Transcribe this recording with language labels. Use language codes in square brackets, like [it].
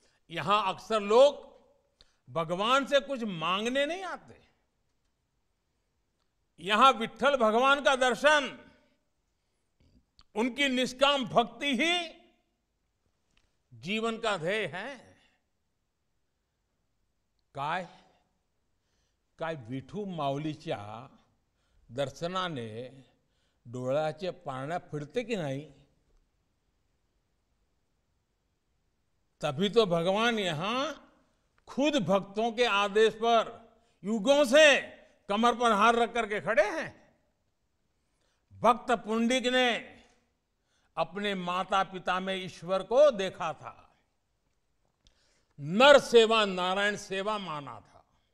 [hi] यहां अक्सर लोग भगवान से कुछ मांगने नहीं आते, यहां विट्ठल भगवान का दर्शन, उनकी निष्काम भक्ति ही जीवन का ध्येय है। [mr] काय काय विठू माऊलीच्या दर्शनाने डोळ्याचे पारणे फिरते की नाही? [hi] तभी तो भगवान यहां खुद भक्तों के आदेश पर युगों से कमर पर हार रख करके खड़े हैं। भक्त पुंडिक ने अपने माता पिता में ईश्वर को देखा था, नर सेवा नारायण सेवा माना था।